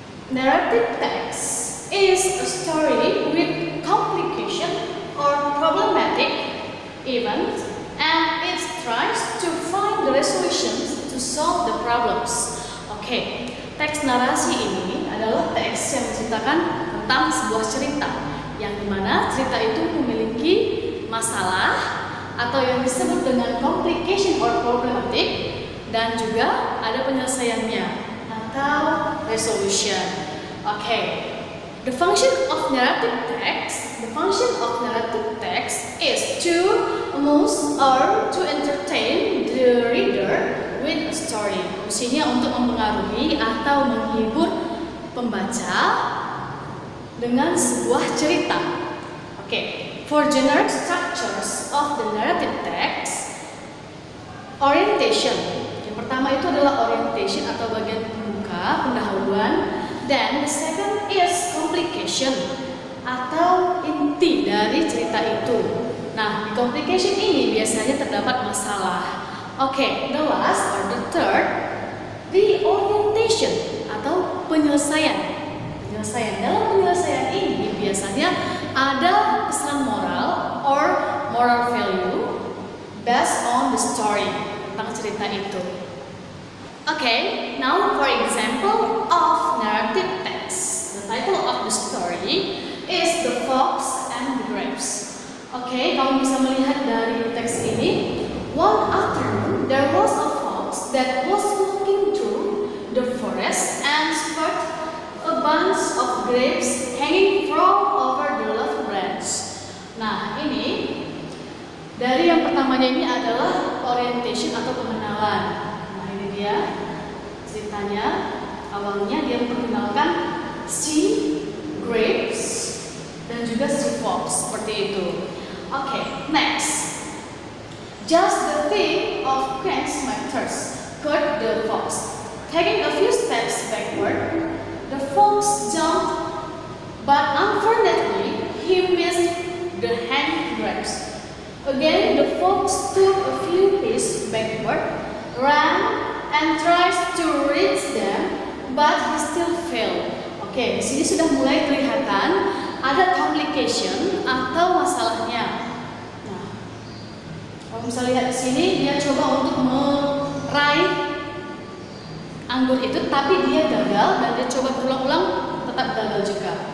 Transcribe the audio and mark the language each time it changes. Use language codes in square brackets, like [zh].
[en] Narrative text is a story with complication or problematic event, and it tries to find the resolutions to solve the problems. [id] Okay, teks narasi ini adalah teks yang menceritakan tentang sebuah cerita yang dimana cerita itu memiliki masalah atau yang disebut dengan [en] complication or problematic, [id] dan juga ada penyelesaiannya atau resolution. [en] Okay, the function of narrative text is to amuse or to entertain the reader with a story. [id] Fungsinya untuk mempengaruhi atau menghibur pembaca dengan sebuah cerita. Okay. [en] For generic structures of the narrative text, orientation. [id] Yang pertama itu adalah orientation atau bagian pembuka, pendahuluan. [en] Then the second is complication [id] atau inti dari cerita itu. Nah, complication ini biasanya terdapat masalah. [en] Okay, the last or the third, the orientation [id] atau penyelesaian. Penyelesaian. Dalam penyelesaian ini biasanya ada pesan moral [en] or moral value based on the story, [id] tentang cerita itu. [en] Okay, now for example of narrative text. The title of the story is The Fox and the Grapes. [id] Okay, kamu bisa melihat dari teks ini. [en] One afternoon, there was a fox that was walking through the forest and spotted a bunch of grapes hanging from over the leaf branch. [id] Nah, ini dari yang pertamanya ini adalah orientation atau pengenalan. Nah, ini dia ceritanya. Awalnya dia memperkenalkan si grapes dan juga si fox, seperti itu. [en] Okay, next. Just the thing of Prince Matters, caught the fox. Taking a few steps backward, the fox jumped, but unfortunately, he missed the hand grapes. Again, the fox took a few paces backward, ran, and tried to reach them, but he still failed. [id] Okay, sini sudah mulai kelihatan ada complication atau masalahnya. Kalau bisa lihat di sini, dia coba untuk meraih anggur itu, tapi dia gagal dan dia coba berulang-ulang, tetap gagal juga.